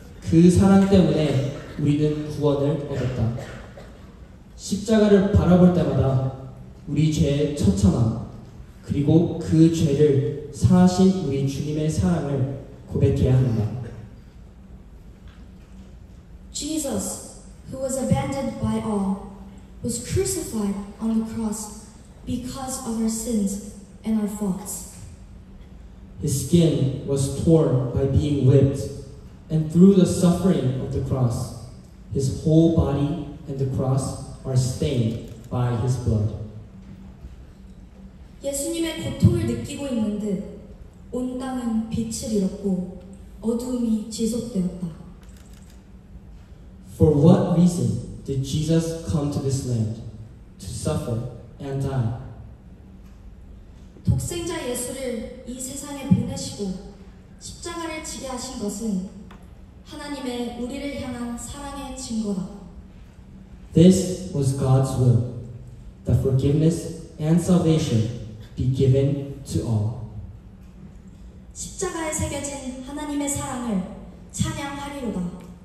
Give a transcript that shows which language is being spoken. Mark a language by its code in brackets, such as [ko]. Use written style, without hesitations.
[ko] 그 사랑 때문에 우리는 구원을 얻었다. 십자가를 바라볼 때마다 우리 죄의 처참함, 그리고 그 죄를 사하신 우리 주님의 사랑을 고백해야 한다. [en] Jesus, who was abandoned by all, was crucified on the cross because of our sins and our faults. His skin was torn by being whipped, and through the suffering of the cross, his whole body and the cross are stained by his blood. [ko] 예수님의 고통을 느끼고 있는 듯 온 땅은 빛을 잃었고 어두움이 지속되었다. [en] For what reason did Jesus come to this land to suffer and die? [ko] 독생자 예수를 이 세상에 보내시고 십자가를 지게 하신 것은 하나님의 우리를 향한 사랑의 증거다. [en] This was God's will, the forgiveness and salvation be given to all. [ko] 십자가에 새겨진 하나님의 사랑을 찬양하리로다.